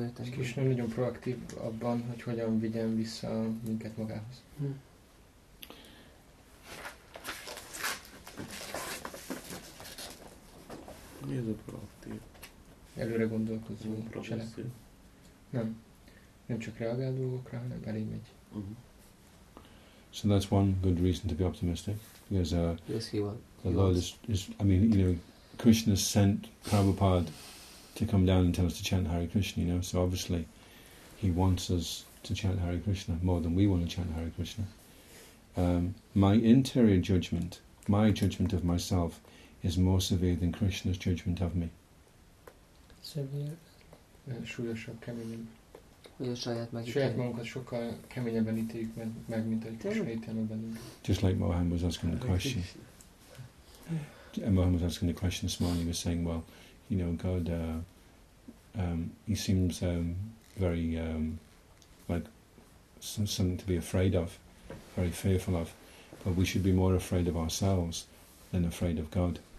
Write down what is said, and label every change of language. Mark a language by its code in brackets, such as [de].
[hu] Krishna nagyon proaktív abban, hogy hogyan vigyen vissza minket magához. Mi ez a proaktív? Előre gondolkozó cselekvő. Nem csak reagál dolgokra, hanem elég megy. [en] So that's one good reason to be optimistic. Because yes, Krishna sent Prabhupada to come down and tell us to chant Hare Krishna, you know. So obviously he wants us to chant Hare Krishna more than we want to chant Hare Krishna. My interior judgment, my judgment of myself, is more severe than Krishna's judgment of me. Severe? [hu] Súlyosabb, keményebb. Hogy a saját meg saját magunkat sokkal keményebben ítéljük meg, mint egy sejtelme belül. [en] Just like Mohan was asking the question. And Mohan was asking the question this morning, he was saying, well, you know, God, he seems very, like, something to be afraid of, very fearful of. But we should be more afraid of ourselves than afraid of God.